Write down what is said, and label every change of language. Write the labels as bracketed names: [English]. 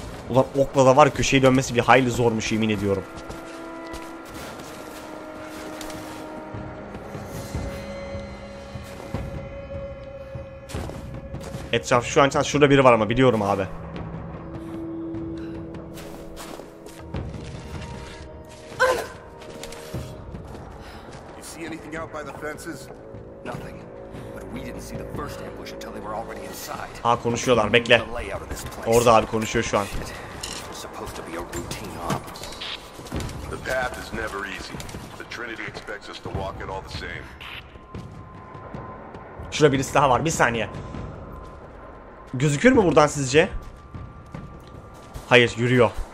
[Turkish] Ulan okla da var, köşeyi dönmesi bir hayli zormuş yemin ediyorum. Etraf şu an şurada biri var ama biliyorum abi. [English] You see anything out by the fences? Nothing. But we didn't see the first ambush until they were already inside. [Turkish] Aa konuşuyorlar, bekle. Orada abi konuşuyor şu an. [English] Supposed to be a routine op. The path is never easy. The Trinity expects us to walk it all the same. [Turkish] Şurada birisi daha var. Bir saniye. Gözükür mü buradan sizce? Hayır, yürüyor.